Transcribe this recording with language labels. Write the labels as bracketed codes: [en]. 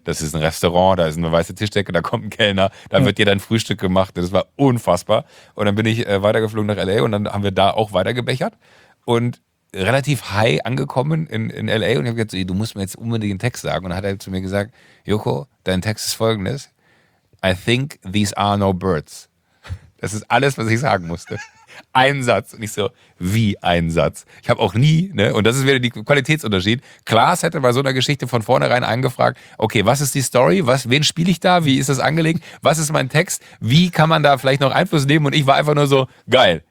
[de] Das ist ein Restaurant, da ist eine weiße Tischdecke, da kommt ein Kellner, da wird dir dein Frühstück gemacht. Das war unfassbar. Und dann bin ich weitergeflogen nach L.A. und dann haben wir da auch weitergebechert. Und relativ high angekommen in L.A. und ich habe gesagt, du musst mir jetzt unbedingt den Text sagen. Und dann hat er zu mir gesagt, Joko, dein Text ist folgendes. [en] I think these are no birds. [de] Das ist alles, was ich sagen musste. Ein Satz. Und ich so, wie ein Satz? Ich habe auch nie, ne, und das ist wieder der Qualitätsunterschied. Klaas hätte bei so einer Geschichte von vornherein angefragt, okay, was ist die Story? Wen spiele ich da? Wie ist das angelegt? Was ist mein Text? Wie kann man da vielleicht noch Einfluss nehmen? Und ich war einfach nur so, geil.